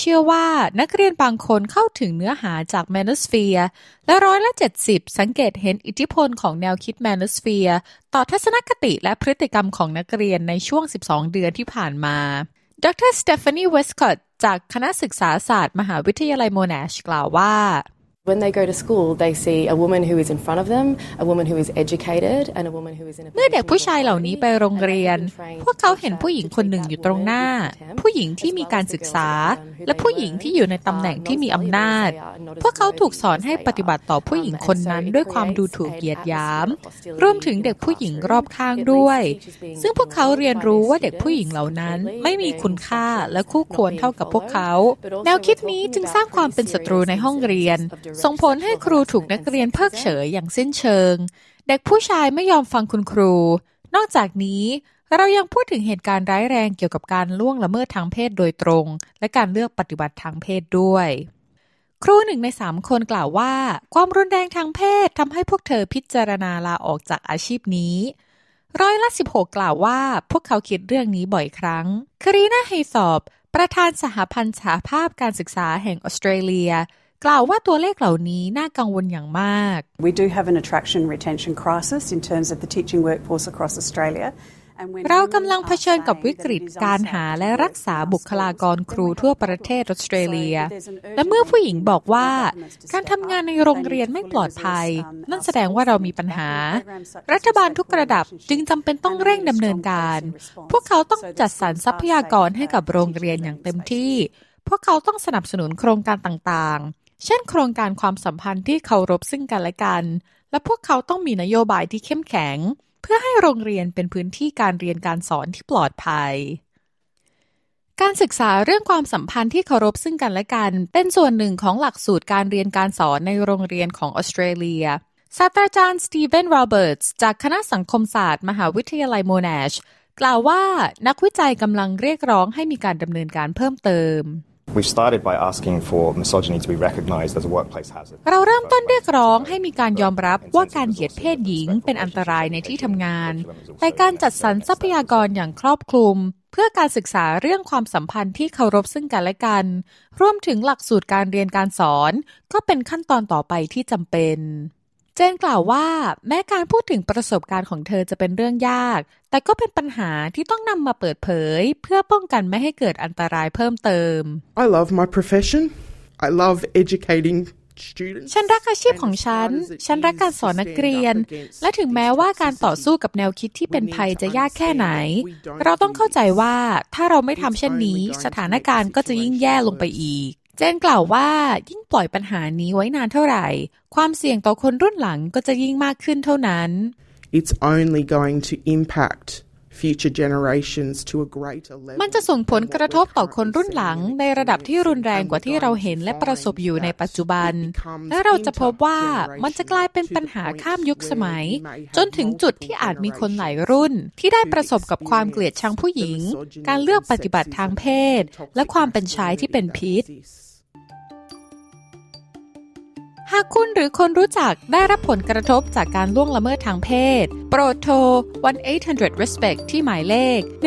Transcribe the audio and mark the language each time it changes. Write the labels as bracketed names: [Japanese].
[Thai] ว่านักเรียนบางคนเข้าถึงเนื้อหาจาก Manosphere และร้อยละ70สังเกตเห็นอิทธิพลของแนวคิด Manosphere ต่อทัศนคติและพฤติกรรมของนักเรียนในช่วง12เดือนที่ผ่านมาดร. Stephanie Westcott จากคณะศึกษาศาสตร์มหาวิทยาลัย Monash กล่าวว่า [English] When they go to school, they see a woman who is in front of them, a woman who is educated, and a woman who is in a position. [Thai] เมื่อเด็กผู้ชายเหล่านี้ไปโรงเรียนพวกเขาเห็นผู้หญิงคนหนึ่งอยู่ตรงหน้าผู้หญิงที่มีการศึกษาและผู้หญิงที่อยู่ในตำแหน่งที่มีอำนาจพวกเขาถูกสอนให้ปฏิบัติต่อผู้หญิงคนนั้นด้วยความดูถูกเหยียดหยามรวมถึงเด็กผู้หญิงรอบข้างด้วย ซึ่งพวกเขาเรียนรู้ว่าเด็กผู้หญิงเหล่านั้นไม่มีคุณค่าและคู่ควรเท่ากับพวกเขาแนวคิดนี้จึงสร้างความเป็นศัตรูในห้องเรียนส่งผลให้ครูถูกนักเรียนเพิกเฉยอย่างสิ้นเชิงเด็กผู้ชายไม่ยอมฟังคุณครูนอกจากนี้เรายังพูดถึงเหตุการณ์ร้ายแรงเกี่ยวกับการล่วงละเมิดทางเพศโดยตรงและการเลือกปฏิบัติทางเพศด้วย ครู1ใน3คนกล่าวว่าความรุนแรงทางเพศทำให้พวกเธอพิจารณาลาออกจากอาชีพนี้ร้อยละ16กล่าวว่าพวกเขาคิดเรื่องนี้บ่อยครั้งคารีน่าไฮสอบประธานสหพันธ์สหภาพการศึกษาแห่งออสเตรเลียกล่าวว่าตัวเลขเหล่านี้น่ากังวลอย่างมาก [English] We do have an attraction retention crisis in terms of the teaching workforce across Australia and when [Thai] เรากำลังเผชิญกับวิกฤตการหาและรักษาบุคลากรครูทั่วประเทศออสเตรเลียและเมื่อผู้หญิงบอกว่าการทำงานในโรงเรียนไม่ปลอดภัยนั่นแสดงว่าเรามีปัญหา รัฐบาลทุกระดับจึงจำเป็นต้องเร่งดำเนินการพวกเขาต้องจัดสรรทรัพยากรให้กับโรงเรียนอย่างเต็มที่พวกเขาต้องสนับสนุนโครงการต่างเช่นโครงการความสัมพันธ์ที่เคารพซึ่งกันและกันและพวกเขาต้องมีนโยบายที่เข้มแข็งเพื่อให้โรงเรียนเป็นพื้นที่การเรียนการสอนที่ปลอดภัย การศึกษาเรื่องความสัมพันธ์ที่เคารพซึ่งกันและกันเป็นส่วนหนึ่งของหลักสูตรการเรียนการสอนในโรงเรียนของออสเตรเลียศาสตราจารย์สตีเวนโรเบิร์ตส์จากคณะสังคมศาสตร์มหาวิทยาลัยโมนาชกล่าวว่านักวิจัยกำลังเรียกร้องให้มีการดำเนินการเพิ่มเติม [English] We've started by asking for misogyny to be recognized as a workplace hazard. [Thai] เราเริ่มต้นเรียกร้องให้มีการยอมรับว่าการเหยียดเพศหญิงเป็นอันตรายในที่ทำงานแต่การจัดสรรทรัพยากรอย่างครอบคลุมเพื่อการศึกษาเรื่องความสัมพันธ์ที่เคารพซึ่งกันและกันรวมถึงหลักสูตรการเรียนการสอนก็เป็นขั้นตอนต่อไปที่จำเป็นเจนกล่าวว่าแม้การพูดถึงประสบการณ์ของเธอจะเป็นเรื่องยากแต่ก็เป็นปัญหาที่ต้องนำมาเปิดเผยเพื่อป้องกันไม่ให้เกิดอันตรายเพิ่มเติม [English] I love my profession. I love educating students. [Thai] ฉันรักอาชีพของฉันฉันรักการสอนนักเรียนและถึงแม้ว่าการต่อสู้กับแนวคิดที่เป็นภัยจะยากแค่ไหนเราต้องเข้าใจว่าถ้าเราไม่ทำเช่นนี้สถานการณ์ก็จะยิ่งแย่ลงไปอีกเจนกล่าวว่ายิ่งปล่อยปัญหานี้ไว้นานเท่าไหร่ความเสี่ยงต่อคนรุ่นหลังก็จะยิ่งมากขึ้นเท่านั้น [English] It's only going to impact future generations to a greater level. [Thai] มันจะส่งผลกระทบต่อคนรุ่นหลังในระดับที่รุนแรงกว่าที่เราเห็นและประสบอยู่ในปัจจุบันและเราจะพบว่ามันจะกลายเป็นปัญหาข้ามยุคสมัยจนถึงจุดที่อาจมีคนหลายรุ่นที่ได้ประสบกับความเกลียดชังผู้หญิงการเลือกปฏิบัติทางเพศและความเป็นชายที่เป็นพิษหากคุณหรือคนรู้จักได้รับผลกระทบจากการล่วงละเมิดทางเพศโปรดโทร 1-800-RESPECT ที่หมายเลข